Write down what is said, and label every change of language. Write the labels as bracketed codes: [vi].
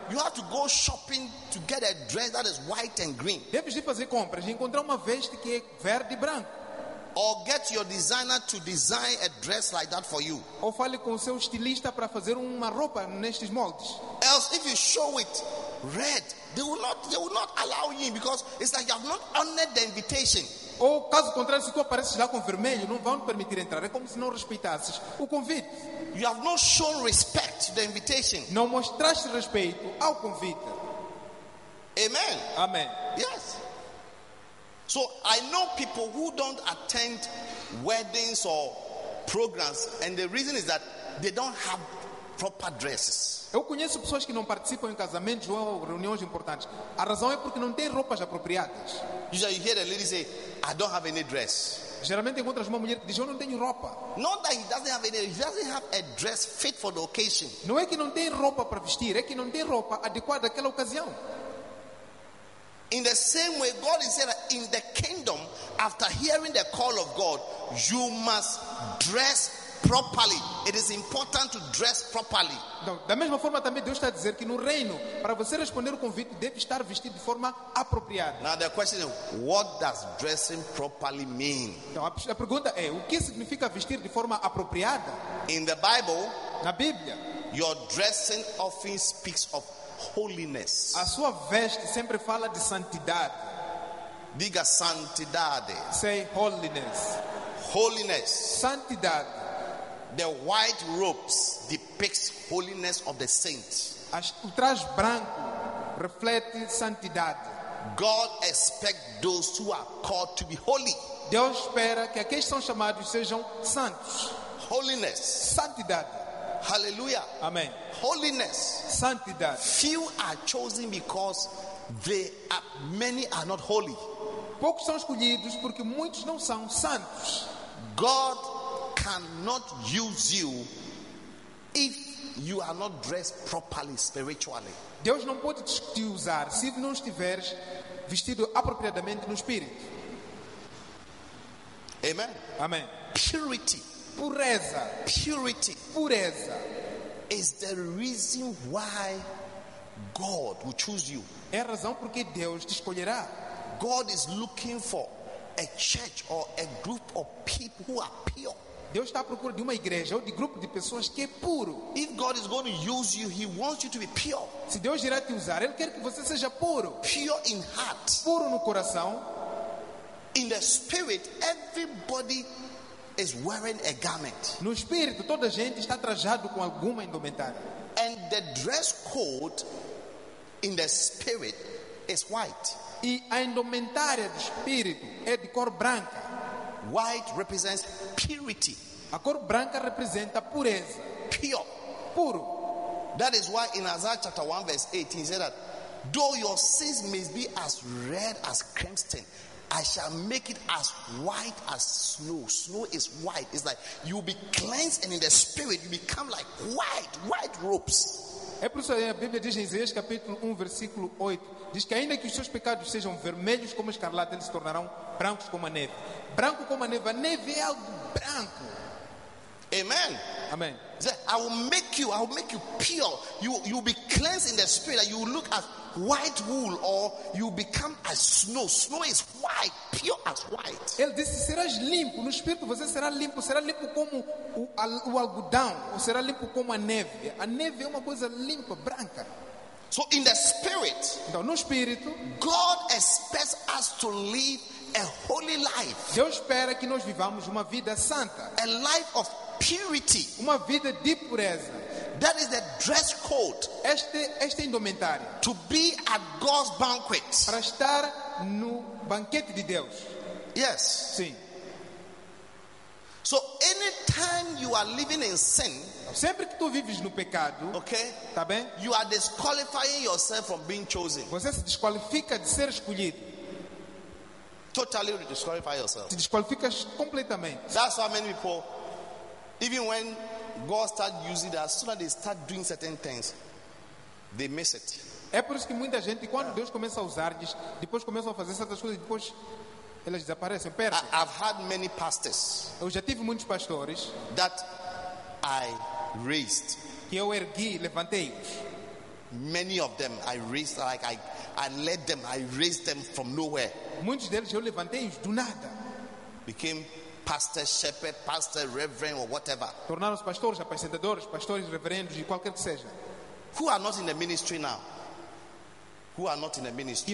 [en] you have to go shopping to get a dress that is white and green. [pt] Deves fazer compras e encontrar uma veste que é verde e branco. [en] Or get your designer to design a dress like that for you. [pt] Ou fale com seu estilista para fazer uma roupa nestes moldes. [en] Else, if you show it red, they will not allow you because it's like you have not honored the invitation. [pt] Ou caso contrário, se tu apareces lá com vermelho, não vão te permitir entrar. É como se não respeitasses o convite. [en] You have not shown respect to the invitation. [pt] Não mostraste respeito ao convite. [en] Amen. [pt] Amém. [en] Yes. So I know people who don't attend weddings or programs, and the reason is that they don't have proper dresses. [pt] Eu conheço pessoas que não participam em casamentos ou reuniões importantes. A razão é porque não têm roupas apropriadas. [en] Usually you hear a lady say, "I don't have any dress." [pt] Geralmente encontras uma mulher que diz, "Eu não tenho roupa." [en] Not that he doesn't have a dress fit for the occasion. [pt] Não é que não tem roupa para vestir, é que não tem roupa adequada àquela ocasião. [en] In the same way, God is saying that in the kingdom, after hearing the call of God, you must dress properly. It is important to dress properly. [pt] Então, da mesma forma, também Deus está a dizer que no reino, para você responder o convite, deve estar vestido de forma apropriada. [en] Now the question is, what does dressing properly mean? [pt] Então, a pergunta é, o que significa vestir de forma apropriada? [en] In the Bible, [pt] na Bíblia, [en] your dressing often speaks of holiness. [pt] A sua veste sempre fala de santidade. Diga santidade. [en] Say holiness. Holiness. [pt] Santidade. [en] The white robes depicts holiness of the saints. [pt] O traje branco reflete santidade. [en] God expects those who are called to be holy. [pt] Deus espera que aqueles que são chamados sejam santos. [en] Holiness. [pt] Santidade. [en] Hallelujah. Amen. Holiness. [pt] Santidade. [en] Few are chosen because many are not holy. [pt] Poucos são escolhidos porque muitos não são santos. [en] God cannot use you if you are not dressed properly spiritually. [pt] Deus não pode te usar se não estiveres vestido apropriadamente no espírito. [en] Amen. Amen. Purity. [pt] Pureza. [en] Purity. [pt] Pureza. [en] Is the reason why God will choose you. [pt] É a razão porque Deus te escolherá. [en] God is looking for a church or a group of people who are pure. [pt] Deus está à procura de uma igreja ou de grupo de pessoas que é puro. [en] If God is going to use you, he wants you to be pure. [pt] Se Deus irá te usar, ele quer que você seja puro. [en] Pure in heart. [pt] Puro no coração. [en] In the spirit, everybody is wearing a garment. [pt] No espírito, toda a gente está trajado com alguma indumentária. [en] And the dress code in the spirit is white. [pt] E a indumentária do espírito é de cor branca. [en] White represents purity. [pt] A cor branca representa pureza. [en] Pure. [pt] Puro. [en] That is why in Isaiah chapter 1 verse 18 he said that though your sins may be as red as crimson, I shall make it as white as snow. Snow is white. It's like you will be cleansed and in the spirit you become like white, white robes. [pt] É por isso que a Bíblia diz em Isaías capítulo 1, versículo 8. Diz que ainda que os seus pecados sejam vermelhos como escarlate, eles se tornarão brancos como a neve. Branco como a neve. A neve é algo branco. [en] Amen. Amen. I will make you pure. You'll be cleansed in the spirit, that you will look as white wool, or you become as snow. Snow is white, pure as white. [pt] Ele disse: serás limpo no espírito, você será limpo como o algodão, ou será limpo como a neve. A neve é uma coisa limpa, branca. [en] So in the spirit, [pt] então, no espírito, [en] God expects us to live a holy life. [pt] Deus espera que nós vivamos uma vida santa. [en] A life of purity. [pt] Uma vida de pureza. [en] That is the dress code. [pt] Este indumentário. [en] To be at God's banquet. [pt] Para estar no banquete de Deus. [en] Yes. [pt] Sim. [en] So anytime you are living in sin, [pt] sempre que tu vives no pecado, [en] okay, [pt] tá bem? [en] You are disqualifying yourself from being chosen. [pt] Você se desqualifica de ser escolhido. [en] Totally disqualify yourself. [pt] Te desqualificas completamente. [en] That's how many people, even when God starts using that, as soon as they start doing certain things, they miss it. [pt] É por isso que muita gente, quando Deus começa a usar, depois começam a fazer certas coisas, depois elas desaparecem. [en] I've had many pastors. [pt] Eu já tive muitos pastores [en] that I raised. [pt] Que eu ergui, levantei. [en] Many of them I raised, like I led them, I raised them from nowhere. [pt] Muitos deles eu levantei do nada. [en] Became pastor, shepherd, pastor, reverend, or whatever. [pt] Tornaram-se pastores, apacentadores, pastores, reverendos, de qualquer que seja. [en] Who are not in the ministry now? Who are not in the ministry?